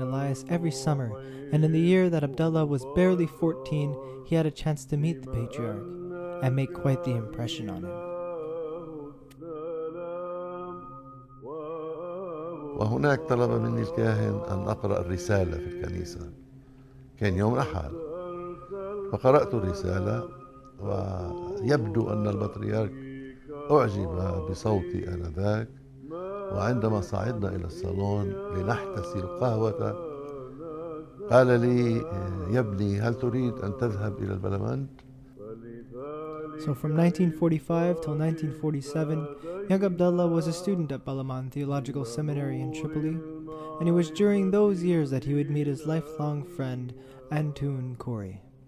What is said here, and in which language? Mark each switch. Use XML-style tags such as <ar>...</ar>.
<en>Elias every summer, and in the year that Abdullah was barely 14, he had a chance to meet the patriarch and make quite the impression on him.</en> <ar>وهناك طلب مني الكاهن أن أقرأ الرسالة في الكنيسة. كان يوم أحد. فقرأت الرسالة ويبدو أن البطريرك أعجب بصوتي آنذاك. وعندما صعدنا إلى الصالون لنحتسي القهوة قال لي يا ابني هل تريد أن تذهب إلى البرلمان؟</ar> <en>So from 1945 till 1947, young Abdullah was a student at Balaman Theological Seminary in Tripoli, and it was during those years that he would meet his lifelong friend Antoun Koury.</en>